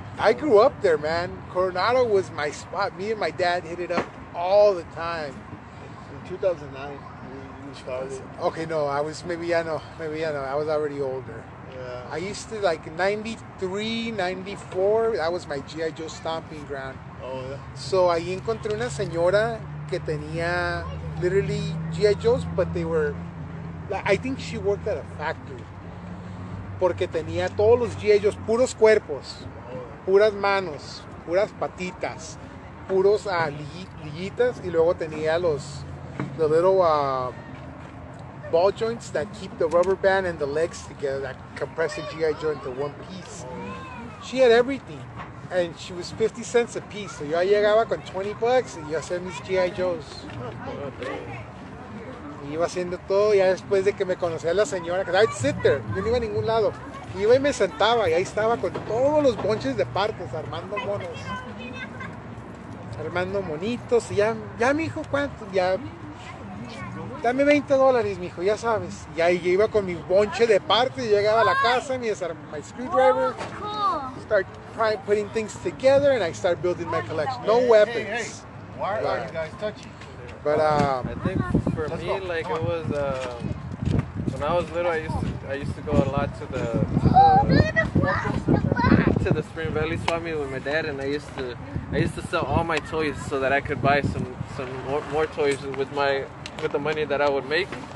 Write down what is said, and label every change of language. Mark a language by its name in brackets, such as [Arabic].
[English] I grew up there, man. Coronado was my spot. Me and my dad hit it up all the time. In 2009, we started. Okay, no, I was maybe I know. I was already older. Yeah. I used to, like, 93, 94, that was my G.I. Joe stomping ground. Oh, yeah. [Spanish] So, ahí encontré una señora que tenía literally G.I. [English] Joe's, but they were, I think she worked at a factory. Porque tenía todos los G.I. Joe's, puros cuerpos. Puras manos, puras patitas, puros liguitas, y luego tenía los little ball joints that keep the rubber band and the legs together, that compress the GI Joe into one piece. She had everything, and she was 50 cents a piece, so yo llegaba con 20 bucks y yo hacía mis GI Joes. [Spanish] Y iba haciendo todo, ya después de que me conocía la señora, because I'd sit there, yo no iba a ningún lado. Iba y me sentaba y ahí estaba con todos los bonches de partes armando monos. Armando monitos. Y ya mijo, ¿cuánto? Ya. Dame $20, mijo, ya sabes. Y ahí iba con mi bonche de partes. Llegaba a la casa, my screwdriver. [English] Start putting things together and I start building my collection. No weapons. Hey, why are you guys touching? But I think for me, like, it was when I was little, I used to go a lot to the Spring Valley Swami with my dad, and I used to sell all my toys so that I could buy some more toys with the money that I would make.